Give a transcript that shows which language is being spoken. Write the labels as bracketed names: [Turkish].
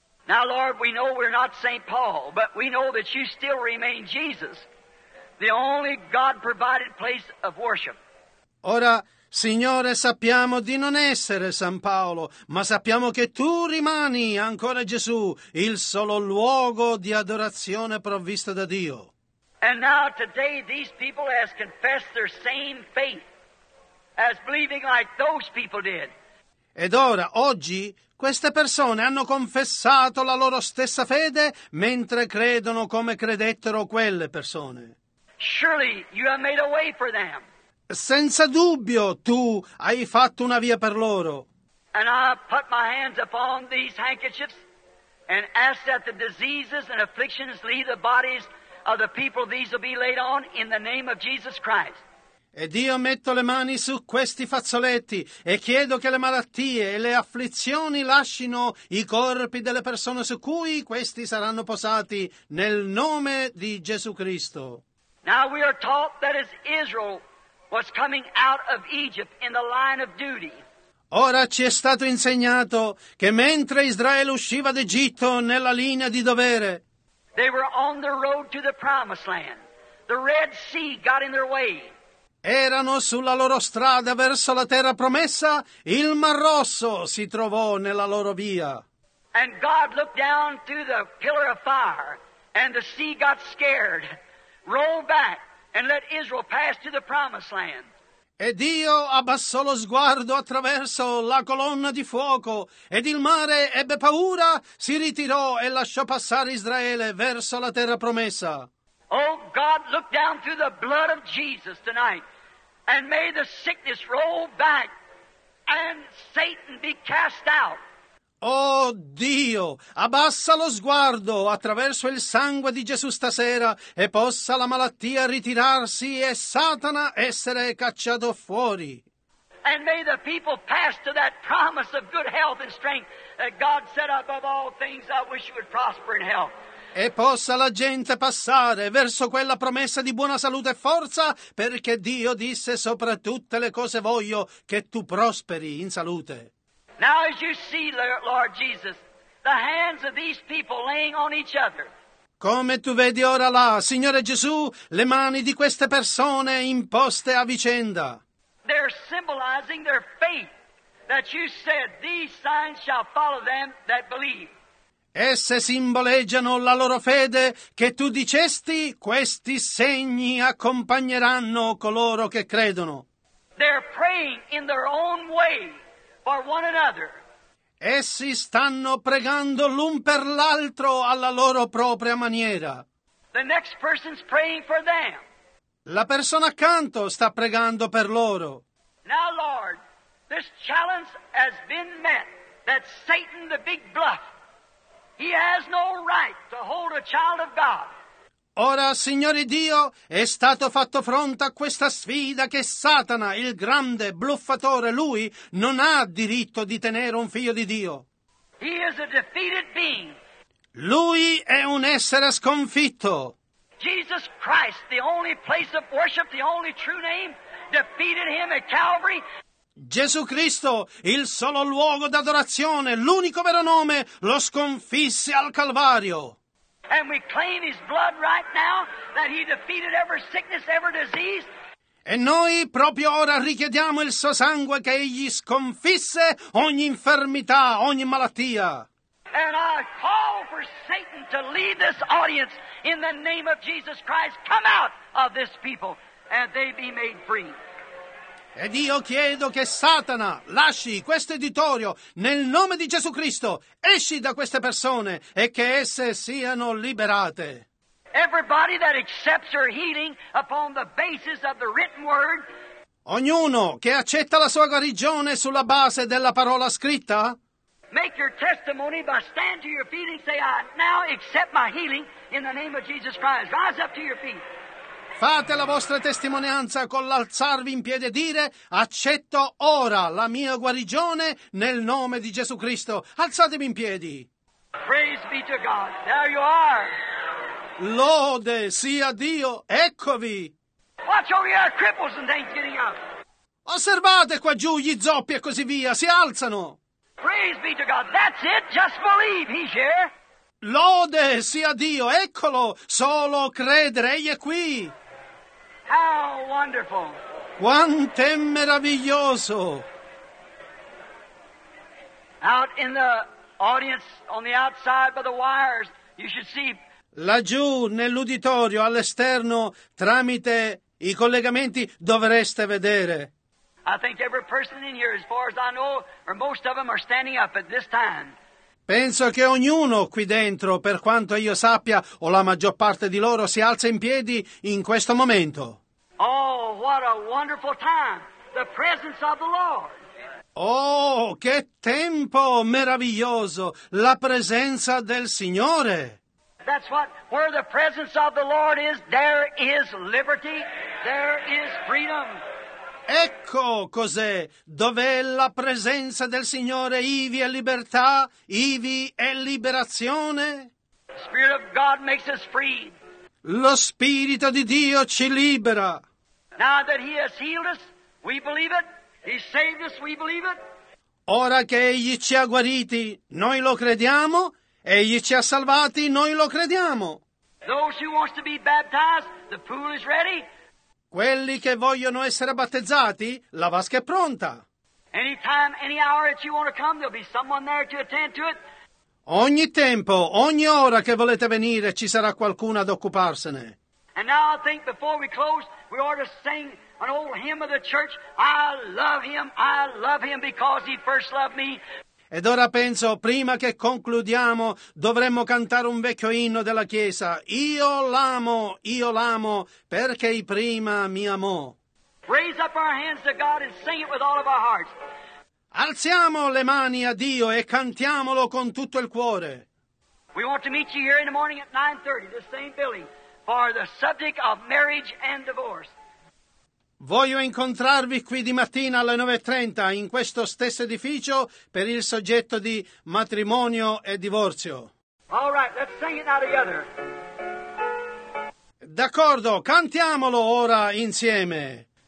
[English] Now, Lord, we know we're not St. Paul, but we know that you still remain Jesus, the only God-provided place of worship. [Italian] Ora, Signore, sappiamo di non essere San Paolo, ma sappiamo che tu rimani ancora Gesù, il solo luogo di adorazione provvisto da Dio. [English] And now today these people have confessed their same faith as believing like those people did. [Italian] Ed ora, oggi, queste persone hanno confessato la loro stessa fede mentre credono come credettero quelle persone. [English] Surely you have made a way for them. [Italian] Senza dubbio tu hai fatto una via per loro. [English] And I put my hands upon these handkerchiefs and ask that the diseases and afflictions leave the bodies of the people these will be laid on in the name of Jesus Christ. [Italian] Ed io metto le mani su questi fazzoletti e chiedo che le malattie e le afflizioni lascino i corpi delle persone su cui questi saranno posati nel nome di Gesù Cristo. [English] Now we are taught that as Israel was coming out of Egypt in the line of duty. [Italian] Ora ci è stato insegnato che mentre Israele usciva d'Egitto nella linea di dovere, [English] they were on the road to the promised land. The Red Sea got in their way. [Italian] Erano sulla loro strada verso la terra promessa, il Mar Rosso si trovò nella loro via. [English] And God looked down through the pillar of fire, and the sea got scared, rolled back, and let Israel pass to the promised land. [Italian] E Dio abbassò lo sguardo attraverso la colonna di fuoco, ed il mare ebbe paura, si ritirò e lasciò passare Israele verso la terra promessa. [English] Oh, God, look down through the blood of Jesus tonight, and may the sickness roll back, and Satan be cast out. [Italian] Oh Dio, abbassa lo sguardo attraverso il sangue di Gesù stasera e possa la malattia ritirarsi e Satana essere cacciato fuori. [English] And may the people pass to that promise of good health and strength that God set up above all things. I wish you would prosper in health. [Italian] E possa la gente passare verso quella promessa di buona salute e forza, perché Dio disse sopra tutte le cose voglio che tu prosperi in salute. [English] Now as you see, Lord Jesus, the hands of these people laying on each other. [Italian] Come tu vedi ora là, Signore Gesù, le mani di queste persone imposte a vicenda. [English] They're symbolizing their faith that you said these signs shall follow them that believe. [Italian] Esse simboleggiano la loro fede che tu dicesti questi segni accompagneranno coloro che credono. [English] They're praying in their own way. For one another. [Italian] Essi stanno pregando l'un per l'altro alla loro propria maniera. [English] The next person's praying for them. [Italian] La persona accanto sta pregando per loro. [English] Now, Lord, this challenge has been met, that Satan, the big bluff, he has no right to hold a child of God. [Italian] Ora, Signore Dio, è stato fatto fronte a questa sfida che Satana, il grande bluffatore, lui, non ha diritto di tenere un figlio di Dio. [English] He is a defeated being. [Italian] Lui è un essere sconfitto. [English] Jesus Christ, the only place of worship, the only true name, defeated him at Calvary. [Italian] Gesù Cristo, il solo luogo d'adorazione, l'unico vero nome, lo sconfisse al Calvario. [English] And we claim his blood right now, that he defeated every sickness, every disease. [Italian] E noi proprio ora richiediamo il suo sangue che egli sconfisse ogni infermità, ogni malattia. [English] And I call for Satan to leave this audience in the name of Jesus Christ. Come out of this people and they be made free. [Italian] Ed io chiedo che Satana lasci questo editorio nel nome di Gesù Cristo. Esci da queste persone e che esse siano liberate. [English] Everybody that accepts your healing upon the basis of the written word. [Italian] Ognuno che accetta la sua guarigione sulla base della parola scritta. [English] Make your testimony by stand to your feet and say, I now accept my healing in the name of Jesus Christ. Rise up to your feet. [Italian] Fate la vostra testimonianza con l'alzarvi in piedi e dire accetto ora la mia guarigione nel nome di Gesù Cristo. Alzatevi in piedi. [English] Praise be to God. There you are. [Italian] Lode sia Dio. Eccovi. [English] Watch over your cripples and they're getting up. [Italian] Osservate qua giù gli zoppi e così via. Si alzano. [English] Praise be to God. That's it. Just believe. He's here. [Italian] Lode sia Dio. Eccolo. Solo credere. Egli è qui. [English] How wonderful! [Italian] Quanto è meraviglioso! [English] Out in the audience, on the outside by the wires, you should see. [Italian] Laggiù nell'uditorio, all'esterno, tramite i collegamenti, dovreste vedere. [English] I think every person in here, as far as I know, or most of them, are standing up at this time. [Italian] Penso che ognuno qui dentro, per quanto io sappia, o la maggior parte di loro, si alza in piedi in questo momento. [English] Oh, what a wonderful time! The presence of the Lord. [Italian] Oh, che tempo meraviglioso! La presenza del Signore. [English] That's what, where the presence of the Lord is, there is liberty, there is freedom. [Italian] Ecco cos'è, dov'è la presenza del Signore, ivi è libertà, ivi è liberazione. [English] Spirit of God makes us free. [Italian] Lo Spirito di Dio ci libera. [English] Now that he has healed us, we believe it. He saved us, we believe it. [Italian] Ora che egli ci ha guariti, noi lo crediamo. Egli ci ha salvati, noi lo crediamo. [English] Those who want to be baptized, the pool is ready. [Italian] Quelli che vogliono essere battezzati, la vasca è pronta. [English] Anytime, any hour that you want to come, there'll be someone there to attend to it. [Italian] Ogni tempo, ogni ora che volete venire, ci sarà qualcuno ad occuparsene. [English] And now I think before we close, we ought to sing an old hymn of the church. I love him. I love him because he first loved me. [Italian] Ed ora penso, prima che concludiamo, dovremmo cantare un vecchio inno della Chiesa. Io l'amo, perché prima mi amò. [English] Raise up our hands to God and sing it with all of our hearts. [Italian] Alziamo le mani a Dio e cantiamolo con tutto il cuore. [English] We want to meet you here in the morning at 9:30, the same building, for the subject of marriage and divorce. [Italian] Voglio incontrarvi qui di mattina alle 9:30 in questo stesso edificio per il soggetto di matrimonio e divorzio. [English] All right, let's sing it now together. [Italian] D'accordo, cantiamolo ora insieme.